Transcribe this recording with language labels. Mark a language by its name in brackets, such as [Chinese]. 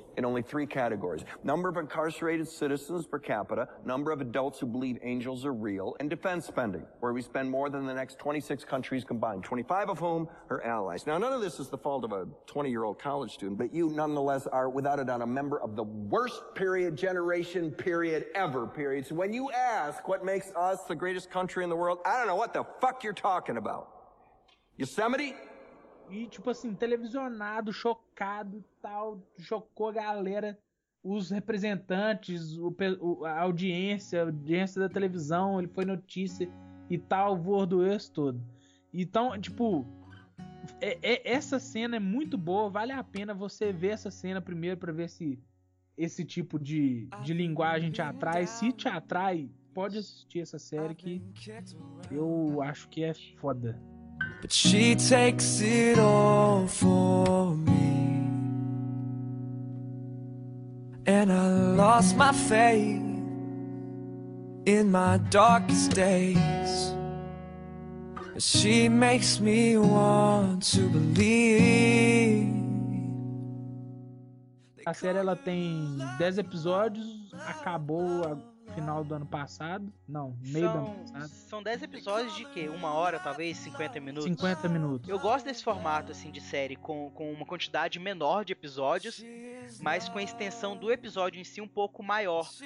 [English] in only three categories: number of incarcerated citizens per capita, number of adults who believe angels are real, and defense spending, where we spend more than the next 26 countries combined, 25 of whom are allies. Now, none of this is the fault of a 20-year-old college student, but you nonetheless are, without a doubt, a member of the worst period generation period ever, period. So when you ask what makes us the greatest country in the world, I don't know what the fuck you're talking about. Yosemite? [Portuguese] E, tipo assim, televisionado, chocado e tal, chocou a galera, os representantes, a audiência, da televisão, ele foi notícia e tal, voou do ex todo. Então, tipo, essa cena é muito boa, vale a pena você ver essa cena primeiro pra ver se esse tipo de linguagem te atrai. Se te atrai, pode assistir essa série que eu acho que é foda. [English] But she takes it all for me, and I lost my faith in my darkest days. She makes me want to believe. [Portuguese] A série ela tem 10 episódios, acabou a final do ano passado. Não, meio do ano passado. São 10 episódios de quê? Uma hora, talvez? 50 minutos? 50 minutos. Eu gosto desse formato, assim, de série com uma quantidade menor de episódios, mas com a extensão do episódio em si um pouco maior.